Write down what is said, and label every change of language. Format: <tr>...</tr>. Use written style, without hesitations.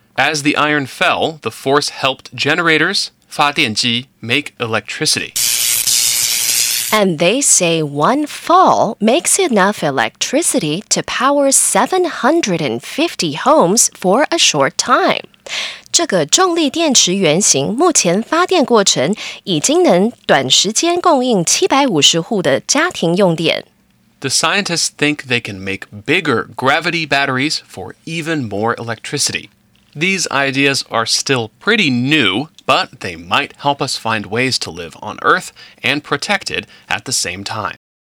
<en>As the iron fell, the force helped generators, 发电机, make electricity. And they say one fall makes enough electricity to power 750 homes for a short time.</en> <zh>这个重力电池原型目前发电过程已经能短时间供应750户的家庭用电。</zh> <en>The scientists think they can make bigger gravity batteries for even more electricity. These ideas are still pretty new, but they might help us find ways to live on Earth and protect it at the same time.</en>